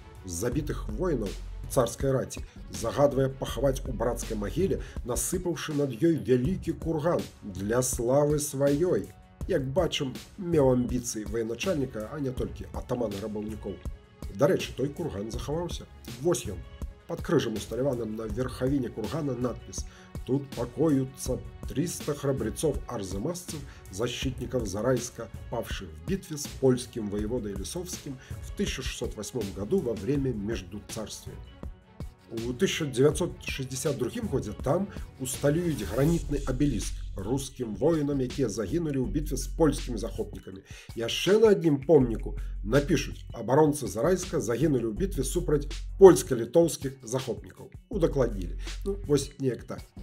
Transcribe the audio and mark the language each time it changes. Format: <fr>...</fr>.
<be>Забітых воінаў царскай раці загадвае пахаваць у брацкай магіле, насыпаўшы над ёй вялікі курган для славы сваёй. Як бачым, меў амбіцыі военачальніка, а не толькі атамана рабаўнікоў. Дарэчы, той курган захаваўся. Вось ён. Пад крыжам усталяваным на верхавіне кургана надпіс:</be> <ru>«Тут пакоюцца 300 храбрецов арзамасцев, защитников Зарайска, павших в битве с польским воеводой Лисовским в 1608 году во время междуцарствия».</ru> <be>У 1962 годзе там усталююць гранітны абеліск рускім воінам, якія загінулі ў бітве з польскімі захопнікамі. Яшчэ на адным помніку напішуць: абаронцы Зарайска загінулі ў бітве супраць польска-літоўскіх захопнікаў. Удакладнілі. Ну, вось неяк так.</be>